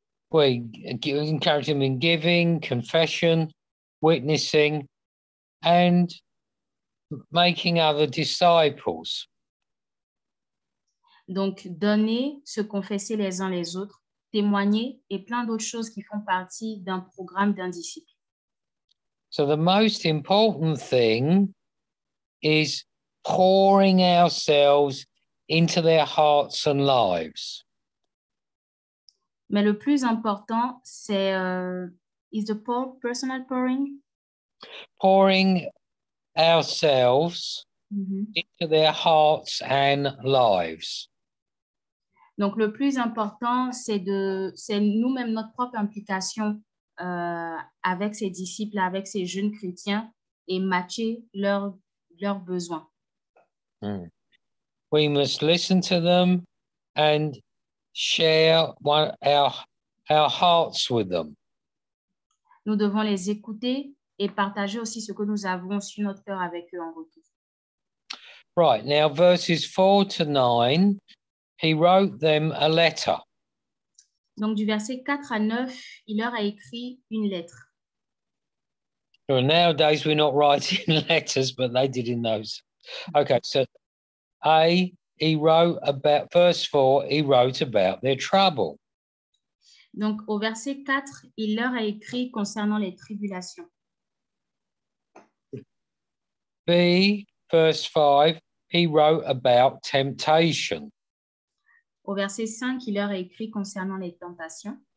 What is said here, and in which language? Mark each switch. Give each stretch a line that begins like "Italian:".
English: Oui, encourage them in giving, confession, witnessing, and making other disciples.
French: Donc, donner, se confesser les uns les autres, témoigner et plein d'autres choses qui font partie d'un programme d'un disciple.
English: So the most important thing is pouring ourselves into their hearts and lives.
French: Mais le plus important, c'est
English: is the personal pouring? Pouring ourselves into their hearts and lives.
French: Donc, le plus important, c'est nous-mêmes notre propre implication avec ces disciples, avec ces jeunes chrétiens et matcher leurs besoins.
English: We must listen to them and share our hearts with them.
French: Nous devons les écouter et partager aussi ce que nous avons sur notre cœur avec eux en retour.
English: Right, now verses 4 to 9. He wrote them a letter.
French: Donc, du verset 4 à 9, il leur a écrit une lettre.
English: So nowadays, we're not writing letters, but they did in those. Okay, so A, he wrote about, verse 4, he wrote about their trouble.
French: Donc, au verset 4, il leur a écrit concernant les tribulations.
English: B, verse 5, he wrote about temptation.
French: Au verset 5, il leur a écrit concernant les tentations.